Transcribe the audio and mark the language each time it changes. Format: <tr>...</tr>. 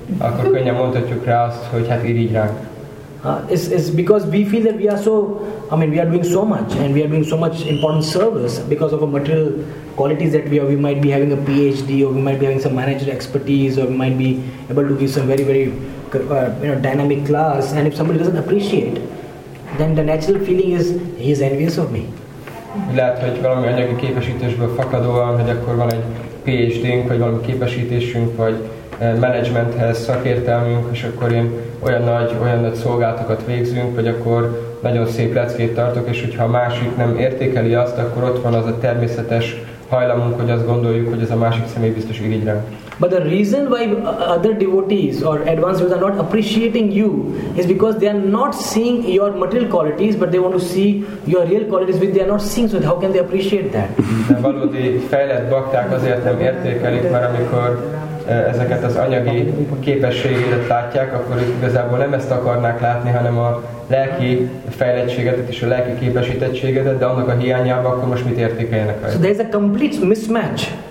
<hu>Akkor könnyen mondhatjuk rá azt, hogy hát irigy ránk.</hu> <en>It's because we feel that we are doing so much and we are doing so much important service because of our material qualities that we are. We might be having a PhD or we might be having some manager expertise or we might be able to give some very very dynamic class, and if somebody doesn't appreciate, then the natural feeling is he is envious of me.</en> <hu>Lehet, hogy valami anyagi képesítésből fakadóan, hogy akkor van egy PhD-nk vagy valami képesítésünk vagy menedzsmenthez szakértelmünk, és akkor én olyan nagy szolgálatokat végzünk, hogy akkor nagyon szép leckét tartok, és hogyha a másik nem értékeli azt, akkor ott van az a természetes hajlamunk, hogy azt gondoljuk, hogy ez a másik személy biztos irigy ránk.</hu> <en>But the reason why other devotees or advanced devotees are not appreciating you is because they are not seeing your material qualities, but they want to see your real qualities which they are not seeing, so how can they appreciate that?</en> <hu>De valódi fejlett bakták azért nem értékelik, mert amikor ezeket az anyagi képességeket látják, akkor ők igazából nem ezt akarnák látni, hanem a lelki fejlettségedet és a lelki képesítettségedet, de annak a hiányában akkor most mit értékeljenek rajta?</hu> <en>So there is a complete mismatch.</en>